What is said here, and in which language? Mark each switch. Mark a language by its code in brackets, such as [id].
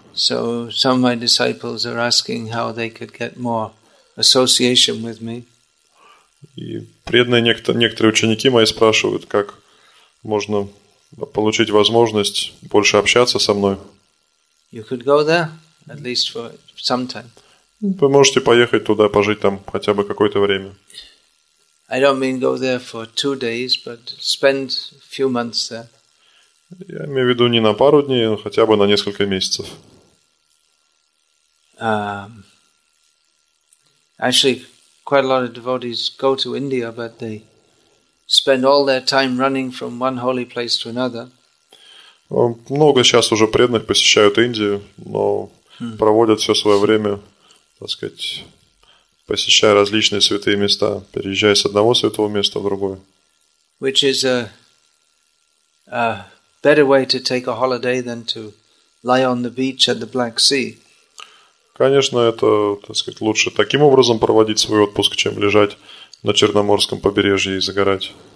[en] So some of my disciples are asking how they could get more association with me. [ru] И преданные некоторые ученики мои спрашивают, как можно получить возможность больше общаться со мной. [en] You could go there, at least for some time. [ru] Вы можете поехать туда, пожить там хотя бы какое-то время. [en] I don't mean go there for 2 days, but spend a few months there. [ru] Я имею в виду не на пару дней, но хотя бы на несколько месяцев. [en] Actually, quite a lot of devotees go to India, but they spend all their time running from one holy place to another. [ru] Много сейчас уже преданных посещают Индию, но проводят все свое время, так сказать, посещая различные святые места, переезжая с одного святого места в другое. [en] Which is a better way to take a holiday than to lie on the beach at the Black Sea. [ru] Конечно, это, так сказать, лучше таким образом проводить свой отпуск, чем лежать на Черноморском побережье и загорать.